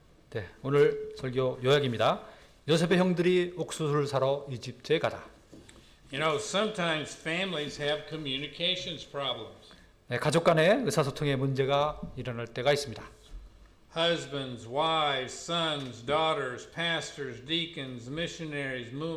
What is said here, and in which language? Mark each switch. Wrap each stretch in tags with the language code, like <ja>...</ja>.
<ko>네, 오늘 설교 요약입니다. 요셉의 형들이 옥수수를 사러 이집트에 가다.</ko> <en>You know, sometimes families have communications problems.</en> <ko>네, 가족 간의 의사소통에 문제가 일어날 때가 있습니다.</ko> <en>Husbands, wives, sons, daughters, pastors, deacons, missionaries,</en>